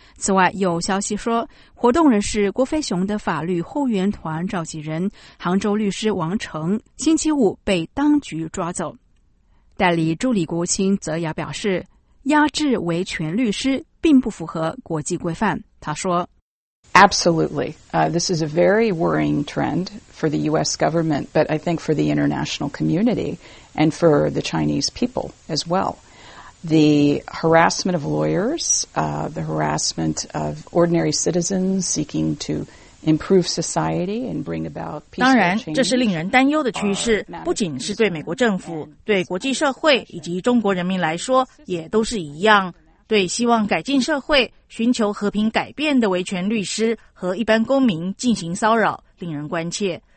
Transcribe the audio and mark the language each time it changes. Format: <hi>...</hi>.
<zh>此外，有消息说，活动人士郭飞雄的法律后援团召集人杭州律师王成星期五被当局抓走。代理助理国务卿泽雅表示，压制维权律师并不符合国际规范，他说</zh> <en>Absolutely. This is a very worrying trend for the U.S. government, but I think for the international community and for the Chinese people as well. The harassment of lawyers, the harassment of ordinary citizens seeking to improve society and bring about peaceful change.</en> <zh>当然，这是令人担忧的趋势，不仅是对美国政府，对国际社会以及中国人民来说也都是一样。对希望改进社会、寻求和平改变的维权律师和一般公民进行骚扰，令人关切。</zh>